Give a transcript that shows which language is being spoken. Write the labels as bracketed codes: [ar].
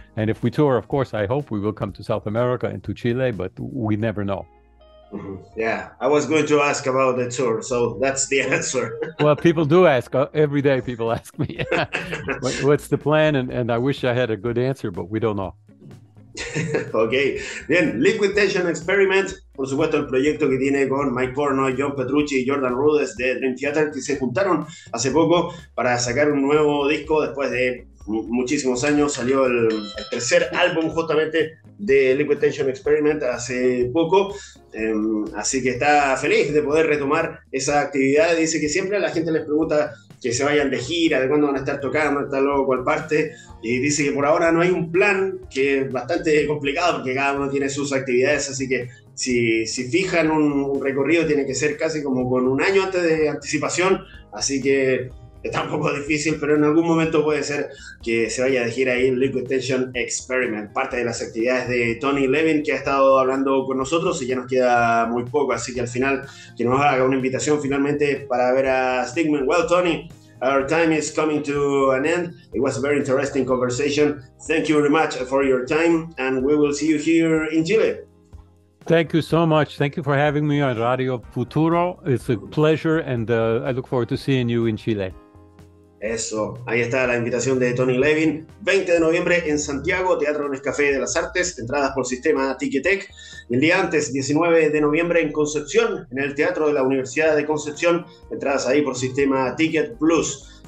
[en] And if we tour, of course, I hope we will come to South America and to Chile, but we never know. Mm-hmm. Yeah, I was going to ask about the tour, so that's the answer. Well, people do ask. Every day people ask me, what's the plan? And I wish I had a good answer, but we don't know. [es] Okay, bien, Liquid Tension Experiment, por supuesto el proyecto que tiene con Mike Porno, John Petrucci y Jordan Rudess de Dream Theater, que se juntaron hace poco para sacar un nuevo disco después de muchísimos años. Salió el tercer álbum justamente de Liquid Tension Experiment hace poco, así que está feliz de poder retomar esa actividad. Dice que siempre la gente les pregunta que se vayan de gira, de cuándo van a estar tocando, hasta luego cuál parte, y dice que por ahora no hay un plan, que es bastante complicado porque cada uno tiene sus actividades, así que si fijan un recorrido tiene que ser casi como con un año antes de anticipación, así que está un poco difícil, pero en algún momento puede ser que se vaya a elegir ahí Liquid Tension Experiment, parte de las actividades de Tony Levin, que ha estado hablando con nosotros, y ya nos queda muy poco, así que al final, que nos haga una invitación finalmente para ver a Stigman. [en] Well, Tony, our time is coming to an end. It was a very interesting conversation. Thank you very much for your time, and we will see you here in Chile. Thank you so much. Thank you for having me on Radio Futuro. It's a pleasure, and I look forward to seeing you in Chile. [es] Eso, ahí está la invitación de Tony Levin. 20 de noviembre en Santiago, Teatro Nescafé de las Artes, entradas por sistema Ticketek. Y el día antes, 19 de noviembre en Concepción, en el Teatro de la Universidad de Concepción, entradas ahí por sistema Ticket Plus.